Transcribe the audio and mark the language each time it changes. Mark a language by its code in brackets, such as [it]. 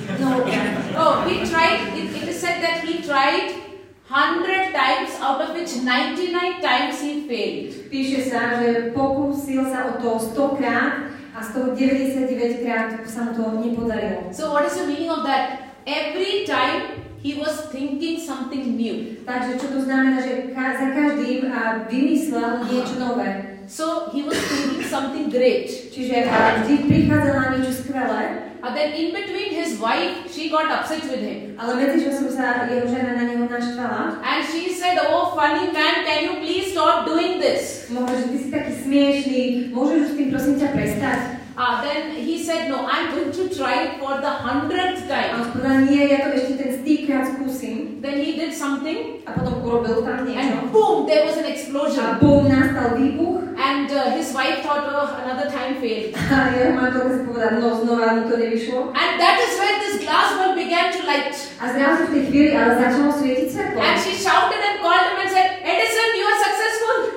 [en] He tried, it is said that he tried 100 times, out of which 99 times he failed. [sk] Píše sa, že pokúsil sa o to 100 krát a z toho 99 krát sa mu to nepodarilo. [en] So what is the meaning of that? Every time he was thinking something new. [sk] Takže čo to znamená, že za každým vymyslel niečo nové. [en] So he was thinking something great. [sk] Čiže vždy prichádzala niečo skvelé. [en] And then in between his wife, she got upset with him. [sk] Ale medzi časom sa jeho žena na neho naštvala. [en] And she said, oh funny man, can you please stop doing this? [sk] Môžeš, ty si taký smiešný, môžeš s tým prosím ťa prestať? [en] Then he said, no, I'm going to try it for the 100th time. [sk] A on povedal, nie, ja to ešte ten stýkrát skúsim. [en] Then he did something. [sk] A potom urobil tak niečo. [en] And boom, there was an explosion. [sk] A boom, nastal výbuch. [en] And his wife thought, oh, another time failed. [sk] A jeho manželka si povedala, no, znova mi to nevyšlo. [en] And that is when this glass bulb began to light. [sk] A zrazu v tej chvíli ale začalo svietiť svetlo. [en] And she shouted and called him and said, Edison, you are successful.